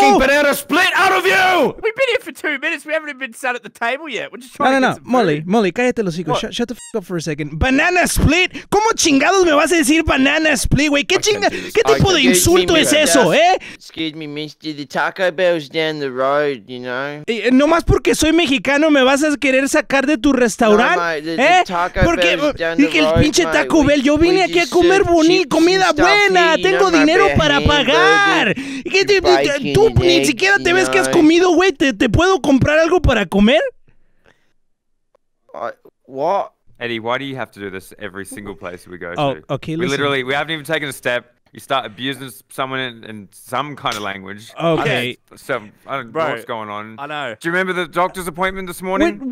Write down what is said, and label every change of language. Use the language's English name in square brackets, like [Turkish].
[English] You want me to make a f***ing banana split out of you? We've been here for 2 minutes. We haven't even sat at the table yet. We're just trying to get some food. Molly, [Spanish] cállate los hijos. [English] Shut the f*** up for a second. Banana split? [Spanish] ¿Cómo chingados me vas a decir banana split, güey? ¿Qué tipo de insulto es eso, [English] Excuse me, mister. The Taco Bell's down the road, you know? [Spanish] ¿Nomás porque soy mexicano me vas a querer sacar de tu restaurante? Porque el pinche Taco Bell, yo vine aquí a comer bonito, comida buena, tengo dinero para pagar. ¿Tú ni siquiera te ves que has comido, güey? ¿Te puedo comprar algo para comer? [English] What? Eddie, why do you have to do this every single place we go to? Oh, okay, listen. We haven't even taken a step. You start abusing someone in some kind of language. Okay. I don't know what's going on. I know. Do you remember the doctor's appointment this morning?